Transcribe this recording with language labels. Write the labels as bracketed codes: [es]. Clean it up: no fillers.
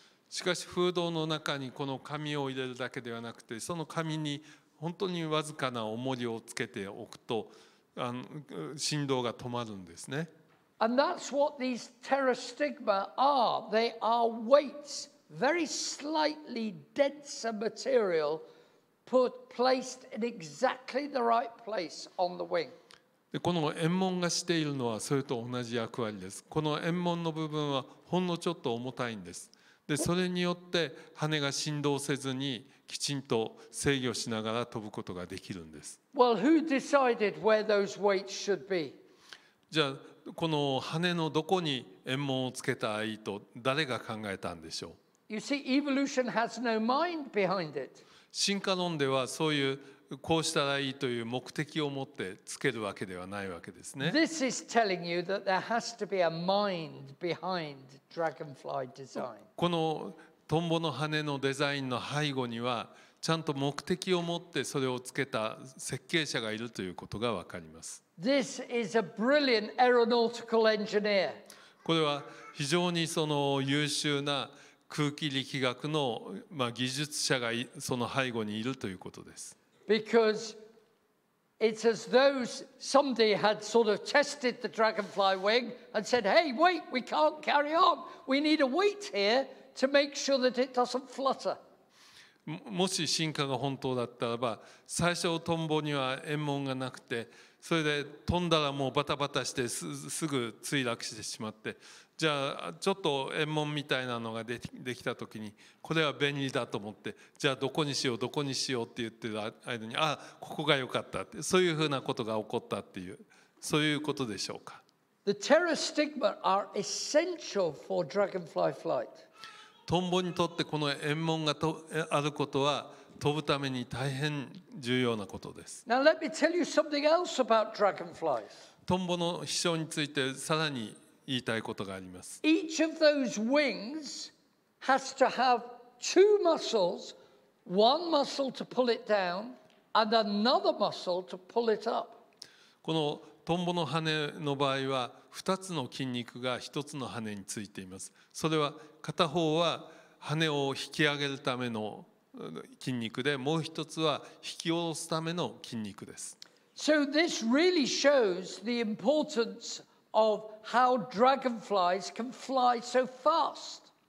[ja] しかし風洞の中にこの紙を入れるだけではなくて、その紙に本当にわずかな重りをつけておくと、振動が止まるんですね。 [en] And that's what these pterostigma are. They are weights, very slightly denser material, put placed in exactly the right place on the wing. [ja] でこの円紋がしているのはそれと同じ役割です。この円紋の部分はほんのちょっと重たいんです。でそれによって羽が振動せずにきちんと制御しながら飛ぶことができるんです。 [en] Well, who decided where those weights should be? [ja] じゃあこの羽のどこに円紋をつけたらいいと誰が考えたんでしょう。 [en] You see, evolution has no mind behind it. [ja] 進化論ではそういうこうしたらいいという目的を持ってつけるわけではないわけですね。 [en] This is telling you that there has to be a mind behind dragonfly design. [ja] このトンボの羽のデザインの背後にはちゃんと目的を持ってそれをつけた設計者がいるということがわかります。 [en] This is a brilliant aeronautical engineer. [ja] これは非常にその優秀な空気力学の技術者がその背後にいるということです。 [en] Because it's as though somebody had sort of tested the dragonfly wing and said, "Hey, wait, we can't carry on. We need a weight here to make sure that it doesn't flutter." [ja] もし進化が本当だったらば、最初トンボには円紋がなくて、それで飛んだらもうバタバタしてすぐ墜落してしまって、じゃあちょっと円紋みたいなのが できた時にこれは便利だと思って、じゃあどこにしようどこにしようって言ってる間に、あここが良かったって、そういうふうなことが起こったっていう、そういうことでしょうか。 [en] The pterostigma are essential for dragonfly flight. [ja] トンボにとってこの円紋があることは飛ぶために大変重要なことです。 [en] Now let me tell you something else about dragonflies. [ja] トンボの飛翔についてさらに言いたいことがあります。 [en] Each of those wings has to have two muscles, one muscle to pull it down and another muscle to pull it up. [ja] このトンボの羽の場合は2つの筋肉が1つの羽についています。それは片方は羽を引き上げるための筋肉で、もう一つは引き下ろすための筋肉です。 [en] So this really shows the importance of how dragonflies can fly so fast.